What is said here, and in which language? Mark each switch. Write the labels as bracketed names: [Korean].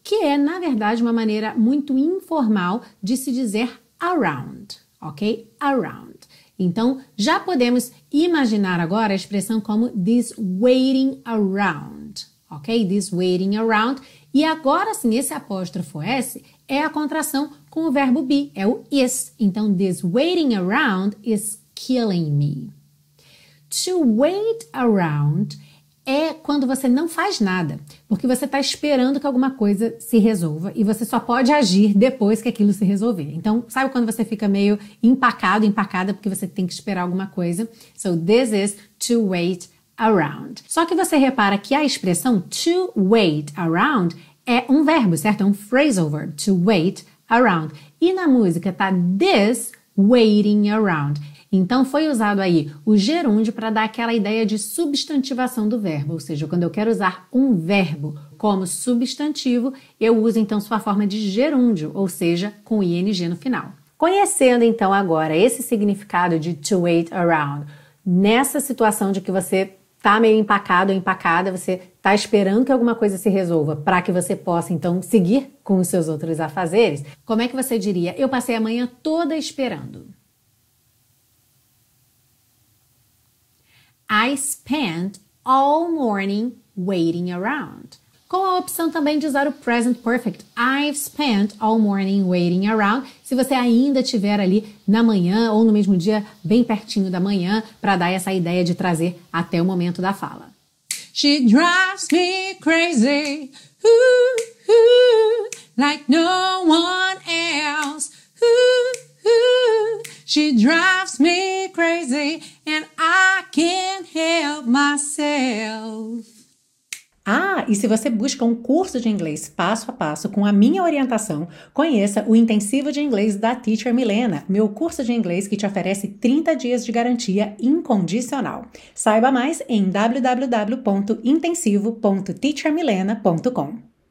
[Portuguese] Que é, na verdade, uma maneira muito informal de se dizer around, ok? Around. Então, já podemos imaginar agora a expressão como [English] this waiting around, [Portuguese] ok? [English] This waiting around. [Portuguese] E agora sim, esse apóstrofo S é a contração com o verbo be, é o is. [English] Então, this waiting around is killing me. To wait around [Portuguese] é quando você não faz nada, porque você está esperando que alguma coisa se resolva e você só pode agir depois que aquilo se resolver. Então, sabe quando você fica meio empacado, empacada, porque você tem que esperar alguma coisa? [English] So, this is to wait around. [Portuguese] Só que você repara que a expressão [English] to wait around [Portuguese] é um verbo, certo? É um phrasal verb, to wait around. E na música está [English] this waiting around. [Portuguese] Então, foi usado aí o gerúndio para dar aquela ideia de substantivação do verbo. Ou seja, quando eu quero usar um verbo como substantivo, eu uso, então, sua forma de gerúndio, ou seja, com ing no final. Conhecendo, então, agora esse significado de [English] to wait around, [Portuguese] nessa situação de que você está meio empacado ou empacada, você está esperando que alguma coisa se resolva para que você possa, então, seguir com os seus outros afazeres, como é que você diria, eu passei a manhã toda esperando? [English] I spent all morning waiting around. [Portuguese] Com a opção também de usar o present perfect. [English] I've spent all morning waiting around. [Portuguese] Se você ainda estiver ali na manhã ou no mesmo dia, bem pertinho da manhã, para dar essa ideia de trazer até o momento da fala. [English] She drives me crazy, ooh, ooh, like no one else. Ooh, ooh. She drives me crazy and I can't help myself. [Portuguese] Ah, e se você busca um curso de inglês passo a passo com a minha orientação, conheça o Intensivo de Inglês da Teacher Milena, meu curso de inglês que te oferece 30 dias de garantia incondicional. Saiba mais em www.intensivo.teachermilena.com.